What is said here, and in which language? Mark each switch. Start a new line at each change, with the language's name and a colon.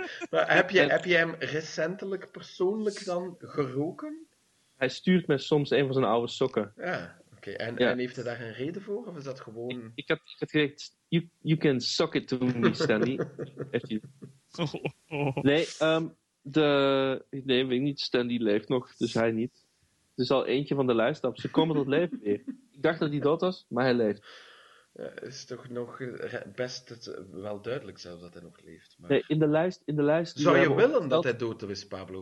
Dutch: Maar heb je hem recentelijk persoonlijk dan geroken? Hij stuurt me soms een van zijn oude sokken. Ja, oké. Okay. En heeft hij daar een reden voor? Of is dat gewoon... Ik had gezegd,
English: you can suck it to me, Stanley.
Dutch: Heeft hij... Nee, weet ik niet. Stanley leeft nog, dus hij niet. Er is al eentje van de lijst op. Ze komen tot leven weer. Ik dacht dat hij dood was, maar hij leeft. Is toch nog best wel duidelijk zelfs dat hij nog leeft. Maar... Nee, in de lijst... Zou je willen dat hij dood is, Pablo?